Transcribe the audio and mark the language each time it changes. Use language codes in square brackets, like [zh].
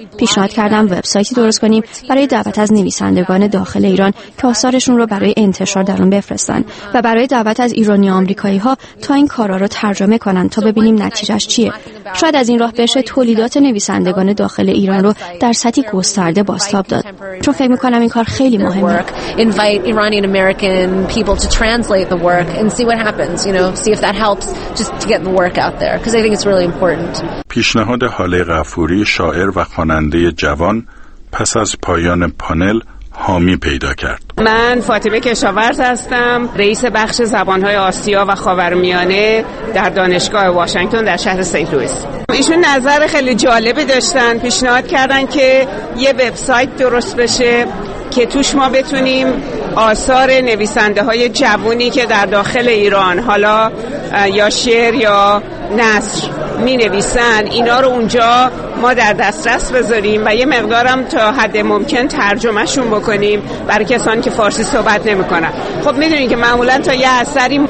[fa] پیشنهاد کردم وبسایتی درست کنیم برای دعوت از نویسندگان داخل ایران که آثارشون رو برای انتشار در اون بفرستن و برای دعوت از ایرانی آمریکایی‌ها تا این کارا رو ترجمه کنن تا ببینیم نتیجه‌اش چیه. شاید از این راه بشه تولیدات نویسندگان داخل ایران رو در سطحی گسترده بازتاب داد. چون فکر می‌کنم این کار خیلی مهمه. [en] Translate the work and see what happens, you know, see if that helps just to get the work out there because I think it's really important. [fa] پیشنهاد حاله غفوری، شاعر و خواننده جوان، پس از پایان پانل حامی پیدا کرد. من فاطمه کشاورز هستم، رئیس بخش زبان‌های آسیا و خاورمیانه در دانشگاه واشنگتن در شهر سنت لوئیس. ایشون نظر خیلی جالبی داشتن، پیشنهاد کردن که یه وبسایت درست بشه که توش ما بتونیم آثار نویسنده های جوونی که در داخل ایران حالا یا شعر یا نثر می نویسن اینا رو اونجا ما در دسترس بذاریم و یه مقدارم تا حد ممکن ترجمه شون بکنیم برای کسانی که فارسی صحبت نمی کنن. خب می دونین که معمولا تا یه اثری